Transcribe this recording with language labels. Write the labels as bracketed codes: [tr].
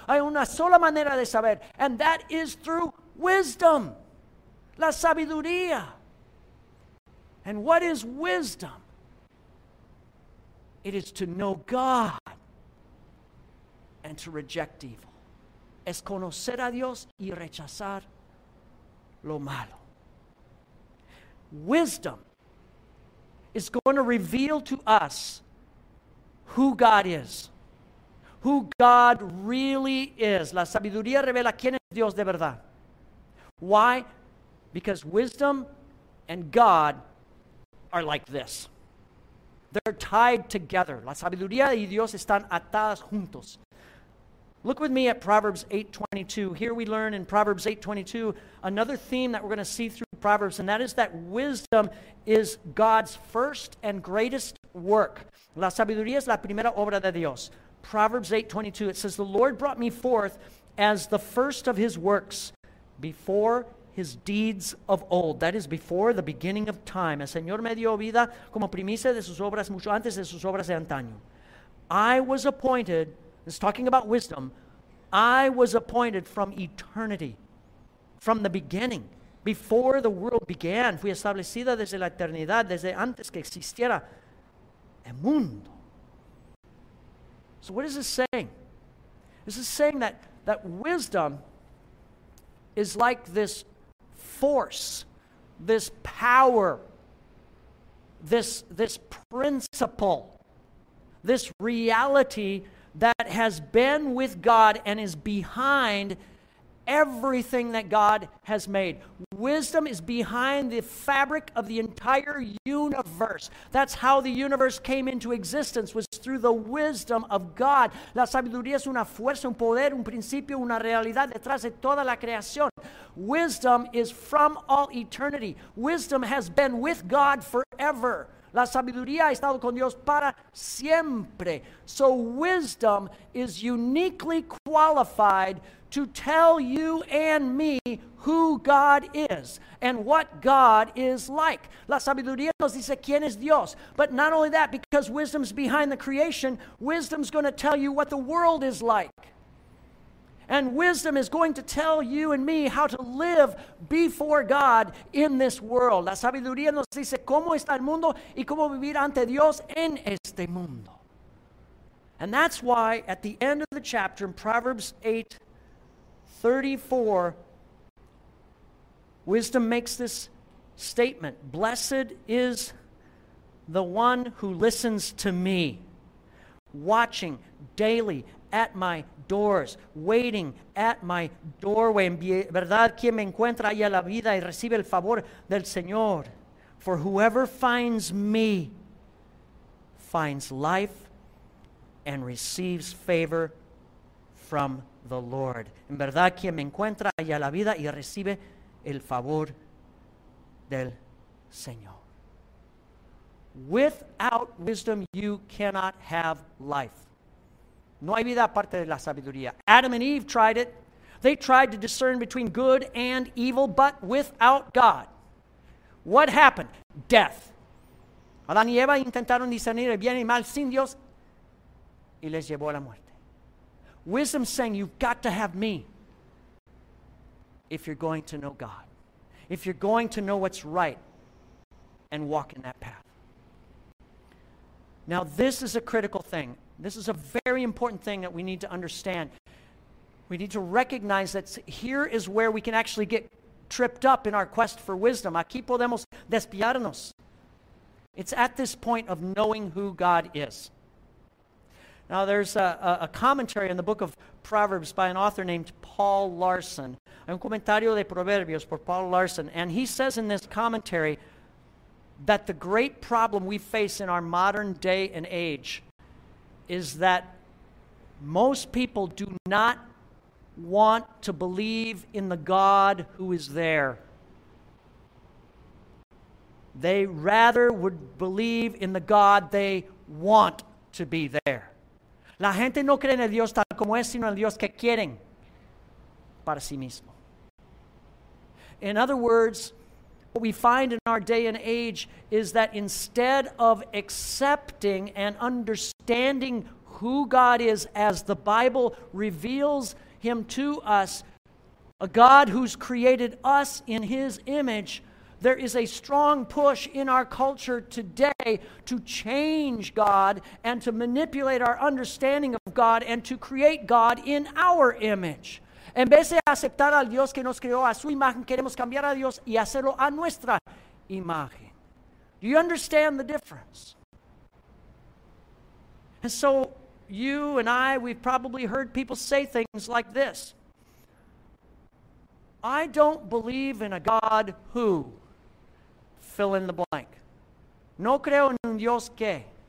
[es] Hay una sola manera de saber, [en] and that is through wisdom. [es] La sabiduría. [en] And what is wisdom? It is to know God and to reject evil. [es] Es conocer a Dios y rechazar lo malo. [en] Wisdom is going to reveal to us who God is, who God really is. [es] La sabiduría revela quién es Dios de verdad. [en] Why? Because wisdom and God are like this. They're tied together. [es] La sabiduría y Dios están atadas juntos. [en] Look with me at Proverbs 8:22. Here we learn in Proverbs 8:22 another theme that we're going to see through Proverbs, and that is that wisdom is God's first and greatest work. [es] La sabiduría es la primera obra de Dios. [en] Proverbs 8:22, it says, "The Lord brought me forth as the first of his works before his deeds of old." That is before the beginning of time. [es] El Señor me dio vida como primicia de sus obras mucho antes de sus obras de antaño. [en] I was appointed, it's talking about wisdom, I was appointed from eternity, from the beginning, before the world began. [es] Fui establecida desde la eternidad, desde antes que existiera el mundo. [en] So what is this saying? This is saying that wisdom is like this force, this power, this principle, this reality that has been with God and is behind everything that God has made. Wisdom is behind the fabric of the entire universe. That's how the universe came into existence, was through the wisdom of God. [es] La sabiduría es una fuerza, un poder, un principio, una realidad detrás de toda la creación. [en] Wisdom is from all eternity. Wisdom has been with God forever. [es] La sabiduría ha estado con Dios para siempre. [en] So wisdom is uniquely qualified to tell you and me who God is and what God is like. [es] La sabiduría nos dice quién es Dios. [en] But not only that, because wisdom's behind the creation, wisdom's going to tell you what the world is like. And wisdom is going to tell you and me how to live before God in this world. [es] La sabiduría nos dice cómo está el mundo y cómo vivir ante Dios en este mundo. [en] And that's why at the end of the chapter in Proverbs 8:34, wisdom makes this statement: "Blessed is the one who listens to me, watching daily at my doors, waiting at my doorway." [es] En verdad, quien me encuentra allá la vida y recibe el favor del Señor. [en] "For whoever finds me finds life and receives favor from the Lord." [es] En verdad, quien me encuentra halla la vida y recibe el favor del Señor. [en] Without wisdom, you cannot have life. [es] No hay vida aparte de la sabiduría. [en] Adam and Eve tried it. They tried to discern between good and evil, but without God, what happened? Death. [es] Adán y Eva intentaron discernir el bien y mal sin Dios, y les llevó a la muerte. [en] Wisdom saying, you've got to have me if you're going to know God, if you're going to know what's right and walk in that path. Now, this is a critical thing. This is a very important thing that we need to understand. We need to recognize that here is where we can actually get tripped up in our quest for wisdom. [es] Aquí podemos desviarnos. [en] It's at this point of knowing who God is. Now, there's a commentary in the book of Proverbs by an author named Paul Larson. [es] Un comentario de Proverbios por Paul Larson. [en] And he says in this commentary that the great problem we face in our modern day and age is that most people do not want to believe in the God who is there. They rather would believe in the God they want to be there. [es] La gente no cree en el Dios tal como es, sino en el Dios que quieren para sí mismo. [en] In other words, what we find in our day and age is that instead of accepting and understanding who God is as the Bible reveals him to us, a God who's created us in his image, There is a strong push in our culture today to change God and to manipulate our understanding of God and to create God in our image. [es] En vez de aceptar al Dios que nos creó a su imagen, queremos cambiar a Dios y hacerlo a nuestra imagen. [en] Do you understand the difference? And so you and I, we've probably heard people say things like this. I don't believe in a God who, fill in the blank. [es] No creo en un Dios que.